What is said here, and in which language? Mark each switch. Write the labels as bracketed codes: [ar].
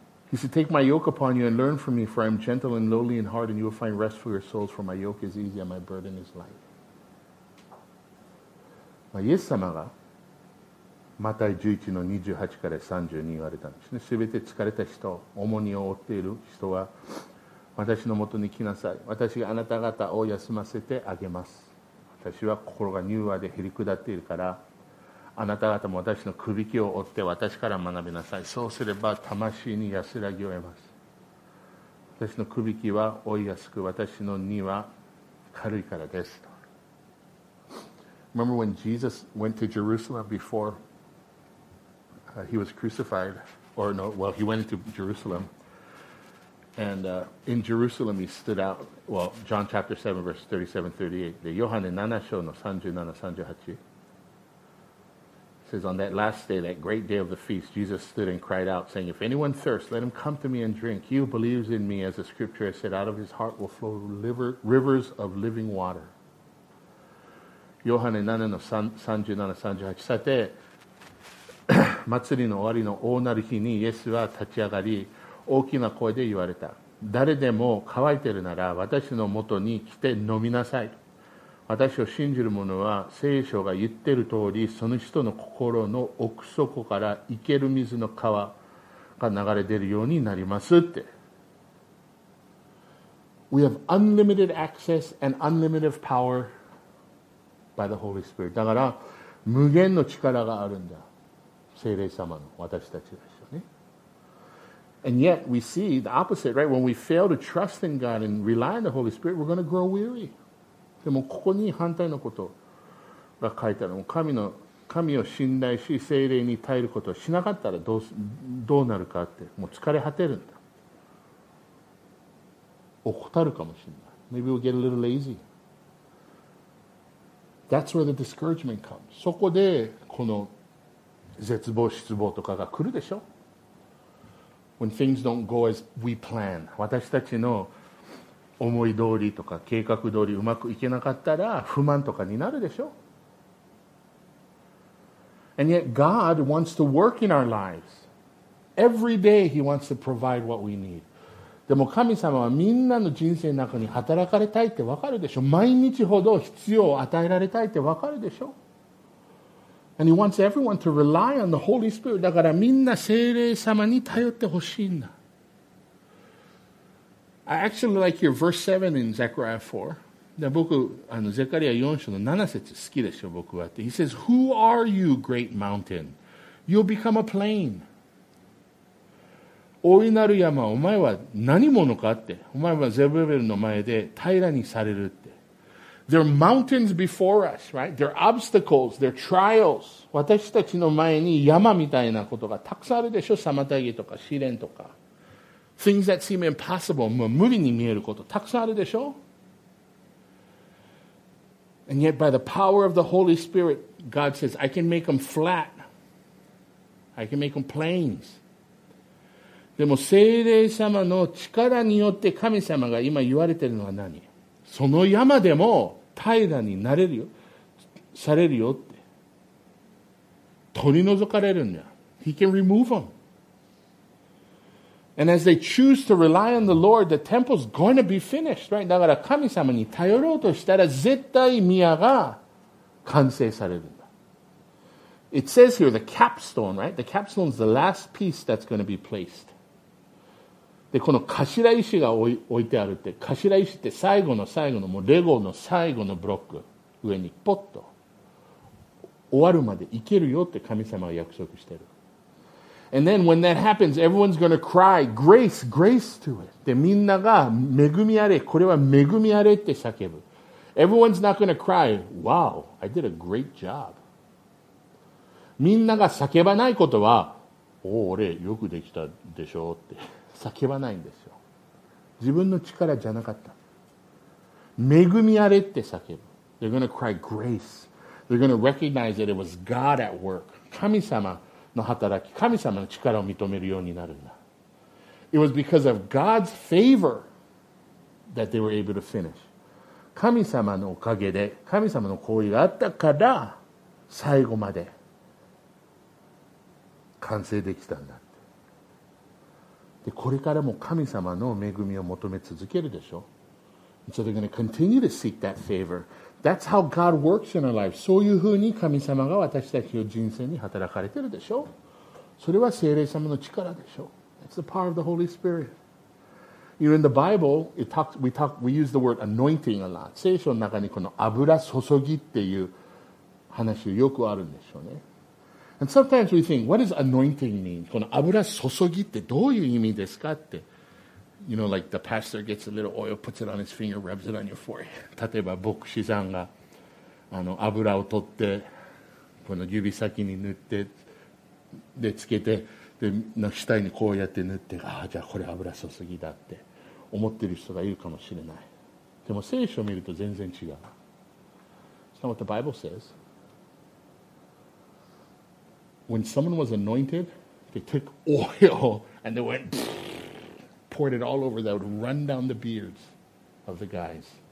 [en] He said, take my yoke upon you and learn from me, for I am gentle and lowly in heart, and you will find rest for your souls, for my yoke is easy and my burden is light. [ja] イエス様がマタイ11の28から32に言われたんですね。すべて疲れた人、重荷を負っている人は、私のもとに来なさい。私があなた方を休ませてあげます。私は心が柔和でへり下っているから、あなた方も私のくびきを追って私から学びなさい。そうすれば魂に安らぎを得ます。私のくびきは負いやすく、私の荷は軽いからです。 [en] Remember when Jesus went to Jerusalem before、he was crucified, or no, well, he went to Jerusalem, and、in Jerusalem he stood out, well, John chapter 7 verse 37-38 [ja] で、ヨハネ7章の 37-38 [en] says, on that last day, that great day of the feast, Jesus stood and cried out, saying, if anyone thirsts, let him come to me and drink. He who believes in me, as the scripture has said, out of his heart will flow rivers of living water. [ja] ヨハネ7の37-38さて、祭りの終わりの大なる日にイエスは立ち上がり、大きな声で言われた。誰でも乾いてるなら私のもとに来て飲みなさい。私を信じる者は聖書が言ってる通り、その人の心の奥底から生ける水の川が流れ出るようになりますって。 [en] We have unlimited access and unlimited power by the Holy Spirit. [ja] だから無限の力があるんだ。聖霊様の私たちでしょうね。 [en] And yet we see the opposite, right? When we fail to trust in God and rely on the Holy Spirit, we're going to grow weary. [ja] でもここに反対のことが書いてある。神を信頼し聖霊に耐えることをしなかったらどうなるかって、もう疲れ果てるんだ、怠るかもしれない。 [en] Maybe we'll get a little lazy. That's where the discouragement comes. [ja] そこでこの絶望失望とかが来るでしょ。 [en] When things don't go as we plan. [ja] 私たちの思い通りとか計画通りうまくいけなかったら不満とかになるでしょ。 [en] And yet God wants to work in our lives. Every day He wants to provide what we need. [ja] でも神様はみんなの人生の中に働かれたいってわかるでしょ。毎日ほど必要を与えられたいってわかるでしょ。 [en] And He wants everyone to rely on the Holy Spirit. [ja] だからみんな聖霊様に頼ってほしいんだ。 [en] I actually like your verse 7 in Zechariah 4. [ja] で、僕、あの、ゼカリア4章の7節好きでしょ、僕はって。 [en] He says, Who are you, great mountain? You'll become a plain. [ja] 大いなる山、お前は何者かって。お前はゼブレベルの前で平らにされるって。 [en] There are mountains before us, right? There are obstacles, there are trials. [ja] 私たちの前に山みたいなことがたくさんあるでしょ。妨げとか試練とか。 [en] Things that seem impossible, [ja] もう無理に見えること、たくさんあるでしょ。 [en] And yet by the power of the Holy Spirit, God says, I can make them flat. I can make them plains. [ja] でも聖霊様の力によって神様が今言われているのは何？その山でも平らになれるよ、されるよって。取り除かれるんだ。 [en] He can remove them. And as they choose to rely on the Lord, the temple's going to be finished, right? [ja] だから神様に頼ろうとしたら絶対宮が完成されるんだ。 [en] It says here the capstone, right? The capstone is the last piece that's going to be placed. [ja] で、この頭石が置いてあるって、頭石って最後の最後の、もうレゴの最後のブロック上にポッと終わるまでいけるよって神様が約束してる。 [en] And then when that happens, everyone's going to cry, grace, grace to it. [ja] で、みんなが恵みあれ、これは恵みあれって叫ぶ。 [en] Everyone's not going to cry, wow, I did a great job. [ja] みんなが叫ばないことは、おお、俺よくできたでしょって叫ばないんですよ。自分の力じゃなかった。恵みあれって叫ぶ。 [en] They're going to cry, grace. They're going to recognize that it was God at work. [ja] 神様の働き、神様の力を認めるようになるんだ。 [en] It was because of God's favor that they were able to finish. [ja] 神様のおかげで、神様の行為があったから、最後まで完成できたんだって。で、これからも神様の恵みを求め続けるでしょ。 [en] And、so they're going to continue to seek that favor. That's how God works in our lives. [ja] そういうふうに神様が私たちの人生に働かれてるでしょ。それは聖霊様の力でしょ。 [en] That's the power of the Holy Spirit. You know, in the Bible, we use the word anointing a lot. [ja] 聖書の中にこの油注ぎっていう話よくあるんでしょうね。 [en] And sometimes we think, what does anointing mean? [ja] この油注ぎってどういう意味ですかって。 [en] You know, like the pastor gets a little oil, puts it on his finger, rubs it on your forehead. [ja] 例えば牧師さんが油を取って、この指先に塗って、でつけて、で額にこうやって塗って、ああ、じゃあこれ油注ぎだって思ってる人がいるかもしれない。でも聖書を見ると全然違う。 [en] It's not what the Bible says. When someone was anointed, they took oil and they went poured it all over, that would run down the beards of the guys.